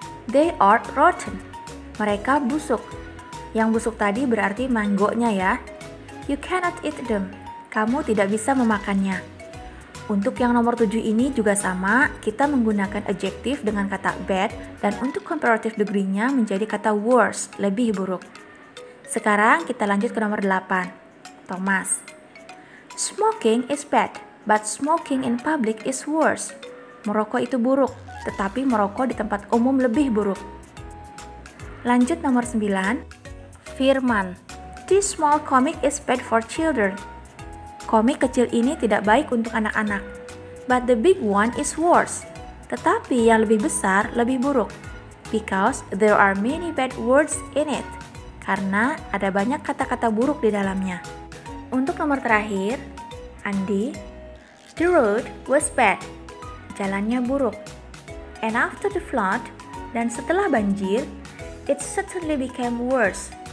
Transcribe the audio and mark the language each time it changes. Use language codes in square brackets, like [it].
[en] They are rotten. [id] Mereka busuk. Yang busuk tadi berarti manggonya ya. [en] You cannot eat them. [id] Kamu tidak bisa memakannya. Untuk yang nomor 7 ini juga sama, kita menggunakan adjective dengan kata bad dan untuk comparative degree-nya menjadi kata worse, lebih buruk. Sekarang kita lanjut ke nomor 8, Thomas. [en] Smoking is bad, but smoking in public is worse. [id] Merokok itu buruk, tetapi merokok di tempat umum lebih buruk. Lanjut nomor 9, Firman. [en] This small comic is bad for children. [id] Komik kecil ini tidak baik untuk anak-anak. [en] But the big one is worse. [id] Tetapi yang lebih besar lebih buruk. [en] Because there are many bad words in it. [id] Karena ada banyak kata-kata buruk di dalamnya. Untuk nomor terakhir, Andi. [en] The road was bad. [id] Jalannya buruk. [en] And after the flood, [id] dan setelah banjir, [en] it certainly became worse.